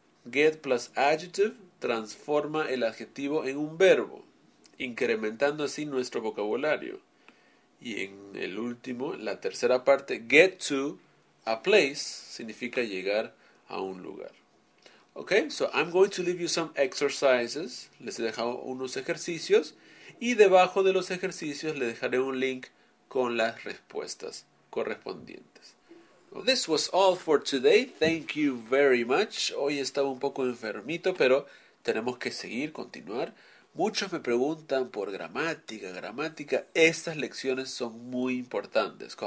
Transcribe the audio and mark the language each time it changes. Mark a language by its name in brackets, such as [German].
[Spanish] Get plus adjective transforma el adjetivo en un verbo, incrementando así nuestro vocabulario. Y en el último, la tercera parte, get to a place, significa llegar a un lugar. [English] Okay, so I'm going to leave you some exercises. [Spanish] Les he dejado unos ejercicios. Y debajo de los ejercicios les dejaré un link con las respuestas correspondientes. [English] Well, this was all for today. Thank you very much. [Spanish] Hoy estaba un poco enfermito, pero tenemos que seguir, continuar. Muchos me preguntan por gramática. Estas lecciones son muy importantes.